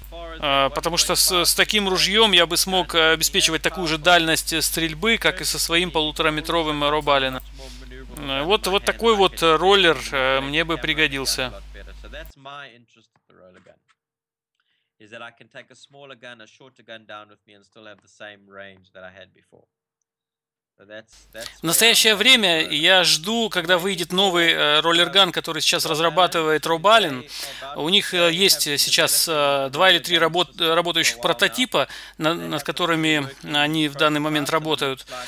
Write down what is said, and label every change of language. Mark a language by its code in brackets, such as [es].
[ru] Потому что с таким ружьем я бы смог обеспечивать такую же дальность стрельбы, как и со своим 1,5-метровым Robalen. Вот такой вот роллер мне бы пригодился. [en] That's my interest with the roller gun, is that I can take a smaller gun, a shorter gun down with me and still have the same range that I had before. [ru] В настоящее время я жду, когда выйдет новый роллерган, который сейчас разрабатывает Robalen. У них есть сейчас два или три работающих прототипа, над которыми они в данный момент работают.